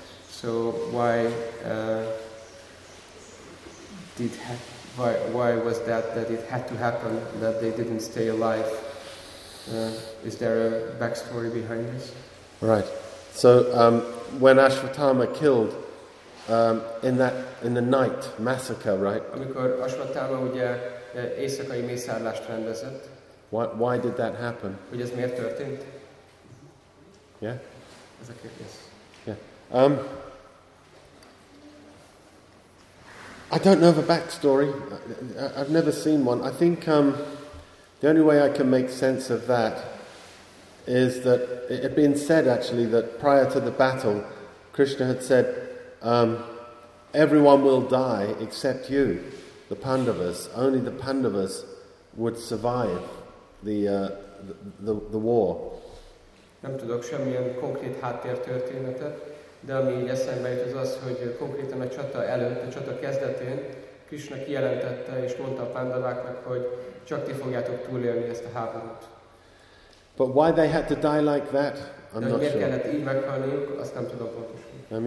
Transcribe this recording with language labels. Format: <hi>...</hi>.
<en>So why was that it had to happen that they didn't stay alive? Is there a backstory behind this? Right. So when Ashwatthama killed in the night massacre, right?</en> <hu>Amikor Ashwatthama ugye éjszakai mészárlást rendezett.</hu> <en>Why did that happen?</en> <hu>Hogy ez miért történt?</hu> <en>Yeah?</en> <hu>Ez a kérdés.</hu> <en>Yeah. I don't know of a backstory. I've never seen one. I think the only way I can make sense of that is that it had been said actually that prior to the battle, Krishna had said, everyone will die except you, the Pandavas. Only the Pandavas would survive. The war.</en> <hu>Nem tudok semmilyen konkrét háttértörténetet, de ami így eszembe jut az az, hogy konkrétan a csata előtt, a csata kezdetén Krishna kijelentette és mondta a Pandaváknak, hogy csak ti fogjátok túlélni ezt a háborút.</hu> <en>But why they had to die like that? I'm</en> <hu>de</hu> <en>not</en> <hu>miért</hu> <en>sure.</en> <hu>Kellett így meghalniuk, azt nem tudom pontosan.</hu>